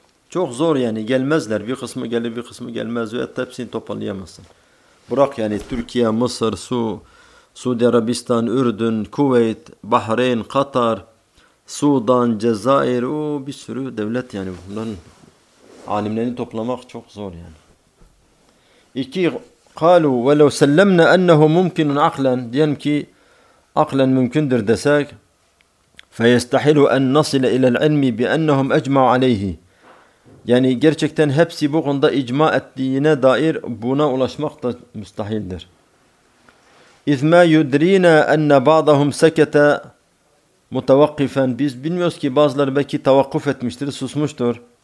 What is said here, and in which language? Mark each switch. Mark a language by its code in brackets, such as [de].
[tr] Çok zor yani, gelmezler. Bir kısmı gelir, bir kısmı gelmez ve hepsini toplayamazsın. Bırak yani Türkiye, Mısır, Suudi Arabistan, Ürdün, Kuveyt, Bahreyn, Katar, Sudan, Cezayir, o bir sürü devlet yani. Bunların alimlerini toplamak çok zor yani. [ar] İki, قالوا ولو سلمنا أنه ممكن عقلا, [tr] diyelim ki akla mümkündür desek, [ar] فيستحيل أن نصل إلى العلم بأنهم أجمعوا عليه. [tr] Yani gerçekten hepsi bu konuda icma ettiğine dair buna ulaşmak da müstahildir. [ar] اِذْ مَا يُدْرِينَا اَنَّ بَعْضَهُمْ سَكَتَ مُتَوَقِّفًا. [tr] Biz bilmiyoruz ki bazıları belki tevakkuf etmiştir, susmuştur.